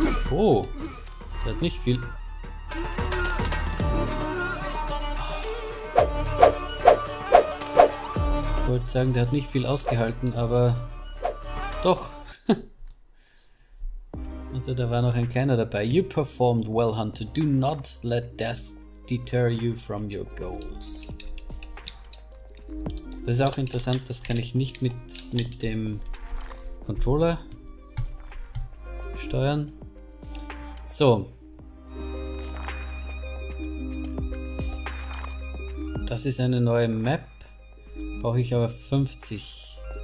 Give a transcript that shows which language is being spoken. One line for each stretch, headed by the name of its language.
German: Oh, der hat nicht viel. Ich wollte sagen, der hat nicht viel ausgehalten, aber doch. Also da war noch ein kleiner dabei.
English: You performed well, Hunter. Do not let death deter you from your goals.
German: Das ist auch interessant, das kann ich nicht mit dem Controller steuern. So. Das ist eine neue Map. Brauche ich aber 50.